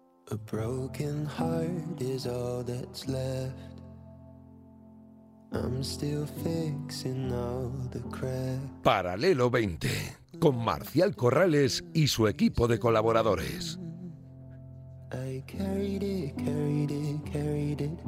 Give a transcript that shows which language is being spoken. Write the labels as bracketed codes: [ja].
[en] A broken heart is all that's left. I'm still fixing all the cracks. [es] Paralelo 20, con Marcial Corrales y su equipo de colaboradores. [en] I carried it, carried it, carried it